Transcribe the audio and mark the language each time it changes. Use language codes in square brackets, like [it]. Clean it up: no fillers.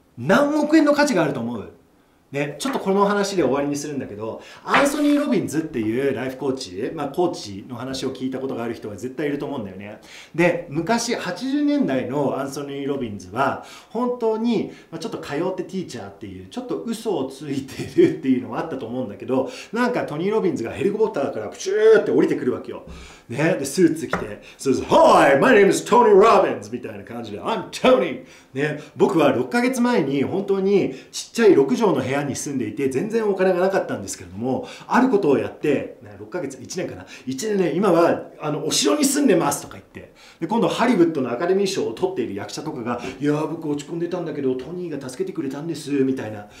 [ja] 何億円の価値があると思う？ね、ちょっとこの話で終わりにするんだけど、アンソニー・ロビンズっていうライフコーチ、まあコーチの話を聞いたことがある人は絶対いると思うんだよね。で、昔80年代のアンソニー・ロビンズは本当にちょっと通ってティーチャーっていう、ちょっと嘘をついてるっていうのもあったと思うんだけど、なんかトニー・ロビンズがヘリコプターからプチューって降りてくるわけよ。ね、で、スーツ着て、そうです、 [en] Hi, my name is Tony Robbins! [ja] みたいな感じで、 [en] I'm Tony!、 [ja] ね、僕は6ヶ月前に本当にちっちゃい6畳の部屋段に住んでいて全然お金がなかったんですけれども、あることをやって6ヶ月1年かな1年ね、今はあのお城に住んでますとか言って、で今度ハリウッドのアカデミー賞を取っている役者とかが、いや僕落ち込んでたんだけどトニーが助けてくれたんですみたいな、